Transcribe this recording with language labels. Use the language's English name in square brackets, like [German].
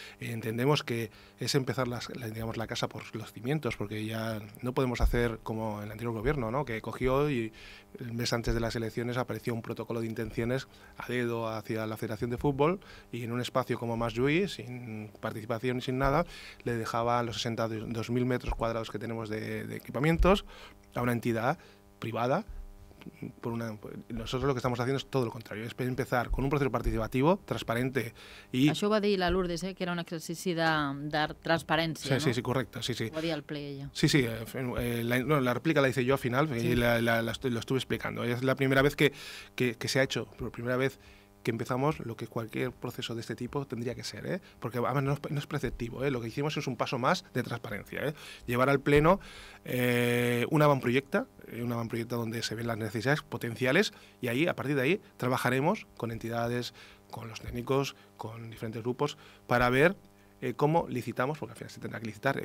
[Spanish] Entendemos que es empezar digamos, la casa por los cimientos, porque ya no podemos hacer como el anterior gobierno, ¿no?, que cogió y el mes antes de las elecciones apareció un protocolo de intenciones a dedo hacia la Federación de Fútbol y en un espacio como Masllui, sin participación y sin nada, le dejaba los 62.000 metros cuadrados que tenemos de equipamientos a una entidad privada. Nosotros lo que estamos haciendo es todo lo contrario, es empezar con un proceso participativo, transparente y... [Catalan] Això ho va dir la Lourdes, que era un exercici de dar transparència, sí, no? [Spanish] Sí, sí, correcto, sí, sí. [Catalan] Ho va dir el ple ella. [Spanish] Sí, sí, la réplica la hice yo al final, sí. Y lo estuve explicando. Es la primera vez que se ha hecho, por primera vez que empezamos lo que cualquier proceso de este tipo tendría que ser, porque además no es preceptivo, lo que hicimos es un paso más de transparencia, llevar al pleno un avanproyecto donde se ven las necesidades potenciales y ahí, a partir de ahí, trabajaremos con entidades, con los técnicos, con diferentes grupos para ver cómo licitamos, porque al final se tendrá que licitar.